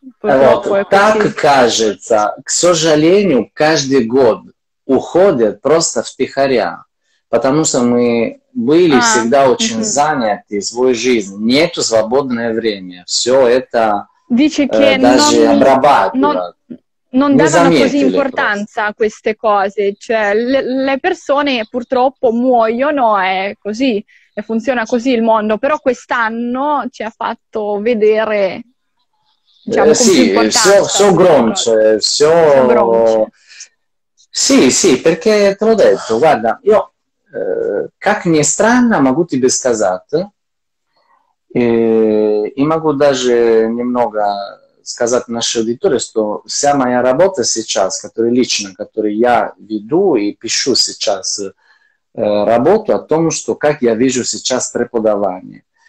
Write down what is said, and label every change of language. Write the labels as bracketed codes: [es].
[ru] Так кажется, к сожалению, каждый год уходят просто втихаря, потому что мы были всегда очень заняты своей жизнью, нет свободного времени, все это даже обрабатывают. [it] Non davano così importanza a queste cose, cioè le persone purtroppo muoiono, è così, e funziona così il mondo, però quest'anno ci ha fatto vedere, diciamo, sì, sì, sì, perché te l'ho detto, guarda, io, [ru] как ни странно, могу тебе сказать, и могу даже немного... сказать нашей аудитории, что вся моя работа сейчас, которая лично, которую я веду и пишу сейчас работу о том, что как я вижу сейчас преподавание.